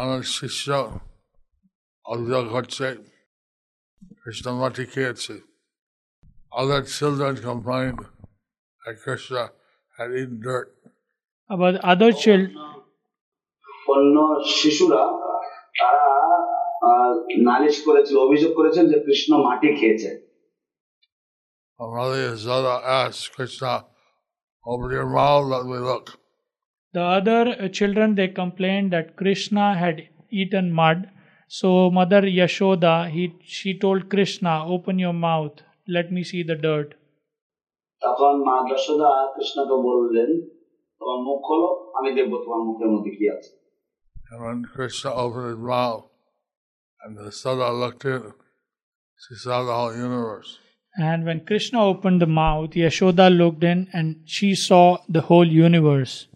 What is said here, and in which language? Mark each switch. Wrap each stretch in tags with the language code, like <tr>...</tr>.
<bn>আমার শিষ্য অযোধ্যা ঘটছে কৃষ্ণ মাটি খেয়েছে।</bn> <en>Other children complained that Krishna had eaten dirt. About other children,</en> <bn>অন্য শিশুরা তারা নালিশ করেছে, অভিযোগ করেছেন যে কৃষ্ণ মাটি খেয়েছে।</bn> <en>Yashoda asked Krishna, "Open your mouth, let me look." The other children, they complained that Krishna had eaten mud. So Mother Yashoda, she told Krishna, "Open your mouth, let me see the dirt."</en> <bn>তখন মা যশোদা কৃষ্ণকে বললেন, "তোমার মুখ খোলো, আমি দেখব তোমার মুখের মধ্যে কি আছে."</bn> <en>And when Krishna opened his mouth, and the Yashoda looked in, she saw the whole universe. And when Krishna opened the mouth, Yashoda looked in and she saw the whole universe.</en>